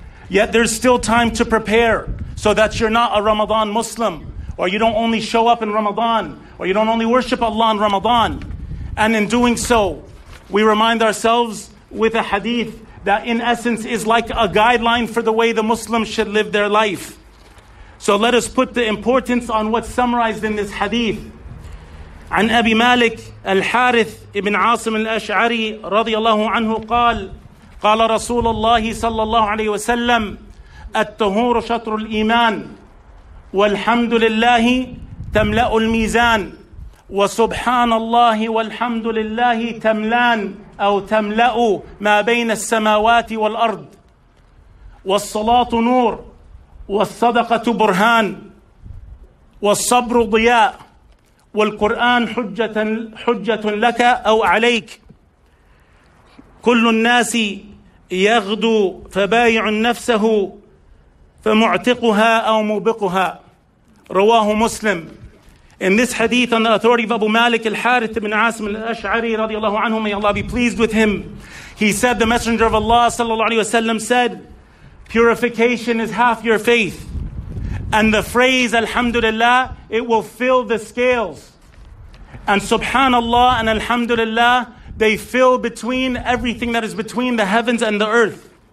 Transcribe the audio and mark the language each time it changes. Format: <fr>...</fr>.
<en>Yet there's still time to prepare so that you're not a Ramadan Muslim, or you don't only show up in Ramadan, or you don't only worship Allah in Ramadan. And in doing so, we remind ourselves with a hadith that in essence is like a guideline for the way the Muslims should live their life. So let us put the importance on what's summarized in this hadith.</en> <ar>عن أبي مالك الحارث ابن عاصم الأشعري رضي الله عنه قال قال رسول الله صلى الله عليه وسلم التهور شطر الإيمان والحمد لله تملأ الميزان وسبحان الله والحمد لله تملان أو تملأ ما بين السماوات والأرض والصلاة نور والصدقة برهان والصبر ضياء والقرآن حجة لك أو عليك كل الناس يغدو فبايع نفسه فمعتقها أو موبقها رواه مسلم</ar> <en>In this hadith on the authority of Abu Malik al-Harith ibn Asim al-Ash'ari radiallahu anhu, may Allah be pleased with him. He said, the Messenger of Allah sallallahu alayhi wa sallam said, purification is half your faith. And the phrase alhamdulillah, it will fill the scales. And subhanallah and alhamdulillah, they fill between everything that is between the heavens and the earth.</en>